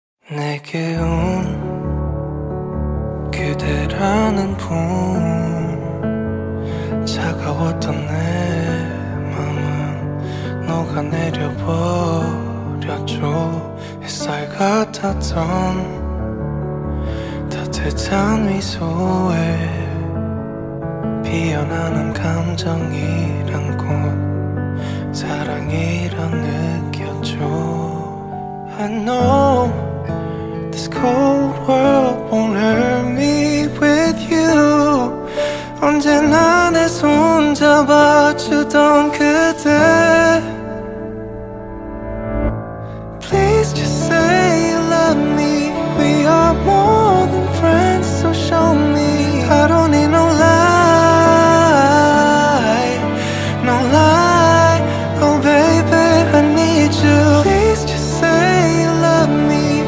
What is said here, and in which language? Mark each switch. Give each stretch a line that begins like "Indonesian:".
Korean: 내게 온 그대라는 분 차가웠던 내 맘은 녹아내려버렸죠. 햇살 같았던 따뜻한 미소에 피어나는 감정이란 곳 사랑이란 느꼈죠.
English: I know this cold world won't hurt me with you.
Korean: 언제나 내 손 잡아주던 그대.
English: Please just say you love me. We are more than friends, so show me. I don't need no lie, no lie. Oh baby, I need you. Please just say you love me.